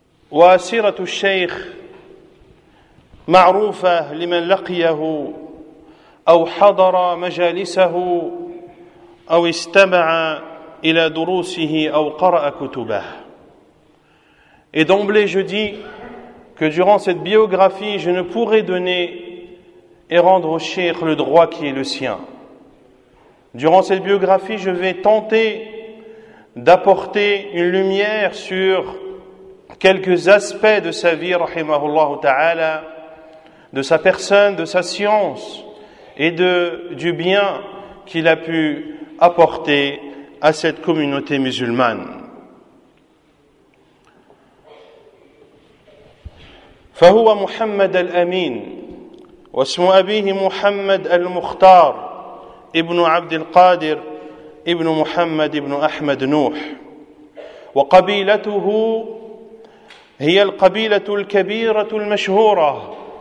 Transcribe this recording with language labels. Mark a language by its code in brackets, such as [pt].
[ar] وسيرة الشيخ معروفة لمن لقيه أو حضر مجالسه أو استمع إلى دروسه أو قرأ كتبه. [fr] Et d'emblée je dis que durant cette biographie je ne pourrai donner et rendre au cheikh le droit qui est le sien. Durant cette biographie je vais tenter d'apporter une lumière sur quelques aspects de sa vie, [ar] rahimahullah ta'ala, [fr] de sa personne, de sa science et du bien qu'il a pu apporter à cette communauté musulmane. [ar] فهو محمد الأمين واسم أبيه محمد المختار ابن عبد القادر ابن محمد ابن أحمد نوح وقبيلته هي القبيلة الكبيرة المشهورة